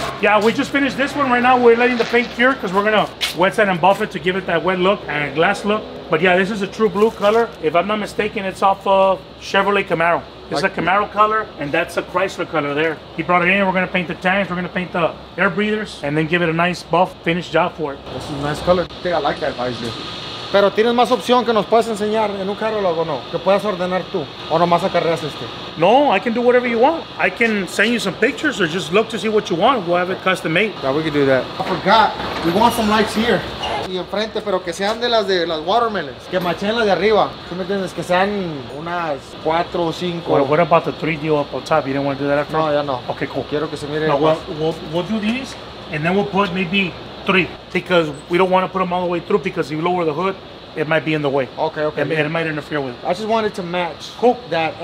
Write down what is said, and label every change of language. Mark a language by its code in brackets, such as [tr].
[en] Yeah, we just finished this one right now. We're letting the paint cure because we're going to wet set and buff it to give it that wet look and glass look. But yeah, this is a true blue color. If I'm not mistaken, it's off of Chevrolet Camaro. This is a Camaro color, and that's a Chrysler color there. He brought it in. We're going to paint the tanks. We're going to paint the air breathers and then give it a nice buff finish job for it. This is a nice color. I think I like that visor. [es] Pero tienes más opción que nos puedes enseñar en un carro luego, ¿no? Que puedas ordenar tú, o nomás acarreas este. [en] No, I can do whatever you want. I can send you some pictures or just look to see what you want. We'll have it custom made. Yeah, we can do that. I forgot, we want some lights here. [es] Y enfrente, pero que sean de las watermelons. Que machen las de arriba. ¿Tú me entiendes? Que sean unas cuatro o cinco. [en] Well, what about the 3D up on top? You didn't want to do that after? [es] No, ya no. [en] Okay, cool. [es] Quiero que se mire. [en] No, we'll do these, and then we'll put maybe three, because we don't want to put them all the way through, because if you lower the hood, it might be in the way. Okay. It might interfere with it. I just wanted to match that.